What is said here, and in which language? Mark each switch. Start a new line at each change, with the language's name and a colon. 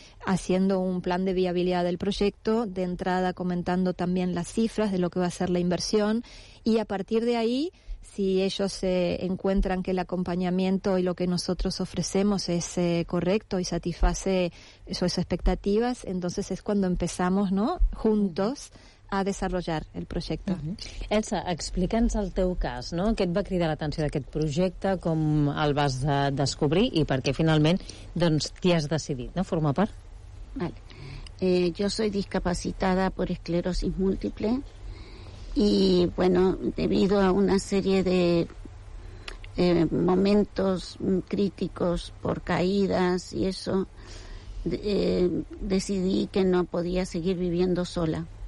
Spanish: haciendo un plan de viabilidad del proyecto, de entrada comentando también las cifras de lo que va a ser la inversión y a partir de ahí, si ellos encuentran que el acompañamiento y lo que nosotros ofrecemos es correcto y satisface sus expectativas, entonces es cuando empezamos, ¿no?, juntos a desarrollar el proyecto.
Catalan: Uh-huh. Elsa, explica'ns el teu cas, no? Què et va cridar l'atenció d'aquest projecte, com el vas descobrir i per què finalment doncs, t'hi has decidit, no?, formar part?
Spanish: Vale. Yo soy discapacitada por esclerosis múltiple y, bueno, debido a una serie de momentos críticos por caídas y eso, decidí que no podía seguir viviendo sola.